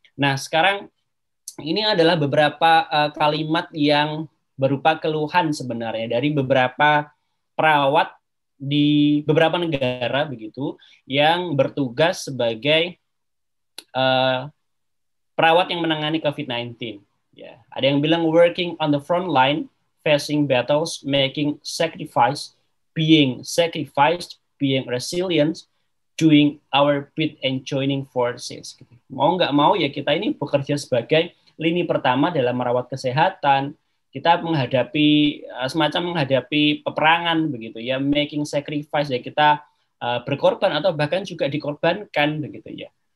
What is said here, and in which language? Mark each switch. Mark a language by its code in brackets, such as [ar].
[id] Nah, sekarang ini adalah beberapa kalimat yang berupa keluhan sebenarnya dari beberapa perawat di beberapa negara begitu yang bertugas sebagai perawat yang menangani COVID-19. Yeah. Ada yang bilang [en] working on the front line, facing battles, making sacrifice, being sacrificed, being resilient, doing our bit and joining forces. [id] Mau nggak mau ya kita ini bekerja sebagai lini pertama dalam merawat kesehatan. Kita menghadapi semacam menghadapi peperangan begitu ya, [en] making sacrifice [id] ya, kita berkorban atau bahkan juga dikorbankan begitu ya.